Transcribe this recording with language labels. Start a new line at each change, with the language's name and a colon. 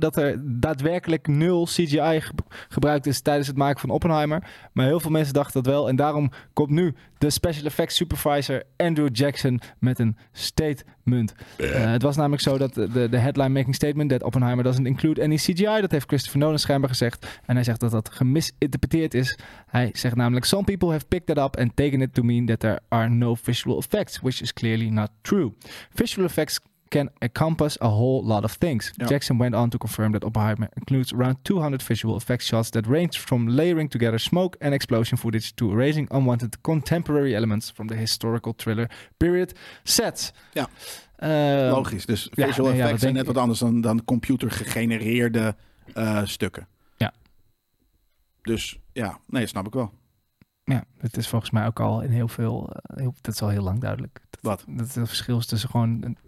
Dutch: Dat er daadwerkelijk nul CGI gebruikt is tijdens het maken van Oppenheimer. Maar heel veel mensen dachten dat wel. En daarom komt nu de special effects supervisor Andrew Jackson met een statement. Het was namelijk zo dat de
English: headline making statement that Oppenheimer doesn't include any CGI.
Dutch: Dat heeft Christopher Nolan schijnbaar gezegd. En hij zegt dat dat gemisinterpreteerd is. Hij zegt namelijk,
English: some people have picked that up and taken it to mean that there are no visual effects, which is clearly not true. Visual effects can encompass a whole lot of things. Yep. Jackson went on to confirm that Oppenheimer includes around 200 visual effects shots that range from layering together smoke and explosion footage to erasing unwanted contemporary elements from the historical thriller period sets.
Dutch: Ja, logisch. Dus visual effects zijn net wat anders dan computer gegenereerde stukken. Ja. Dus ja, dat snap ik wel. Ja, het is volgens mij ook al in heel veel... dat is al heel lang duidelijk. Wat? Dat het verschil is tussen gewoon... Nou,